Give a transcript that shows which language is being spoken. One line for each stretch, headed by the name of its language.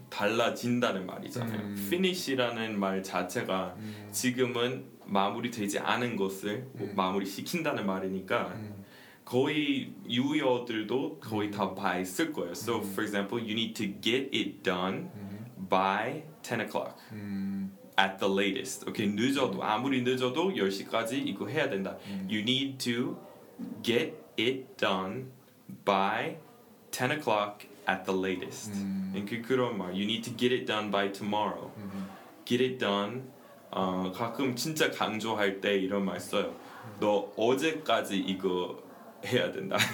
Korean: 달라진다는 말이잖아요. Finish라는 말 자체가 지금은 마무리되지 않은 것을 마무리시킨다는 말이니까 거의 유의어들도 거의 다 by 쓸 거예요.
English: So for example, you need to get it done by 10 o'clock. At the latest.
Korean: Okay, 늦어도 아무리 늦어도 10시까지 이거 해야 된다.
English: You need to get it done by 10 o'clock at the latest.
Korean: 그런 말.
English: You need to get it done by tomorrow. Get it done.
Korean: 가끔 진짜 강조할 때 이런 말 써요. 너 어제까지 이거 해야 된다.